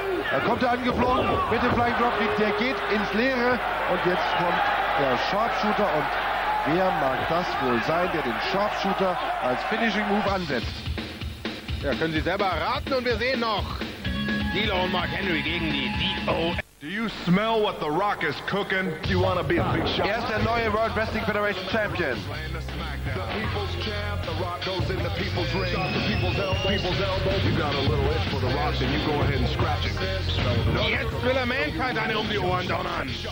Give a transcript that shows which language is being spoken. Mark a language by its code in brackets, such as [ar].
[de] Da kommt er angeflogen mit dem Flying Dropkick. Der geht ins Leere. Und jetzt kommt der Sharpshooter. Und wer mag das wohl sein, der den Sharpshooter als Finishing Move ansetzt? Ja, können Sie selber erraten. Und wir sehen noch D'Lo und Mark Henry gegen die D.O. [en] Do you smell what The Rock is cooking? Do you want to be a big shot? Yes, the new World Wrestling Federation champion. The people's champ, The Rock goes in the people's ring. Shot the people's elbow. You got a little itch for The Rock, then you go ahead and scratch it. [de] Jetzt will er Mankind eine um die Ohren donnern.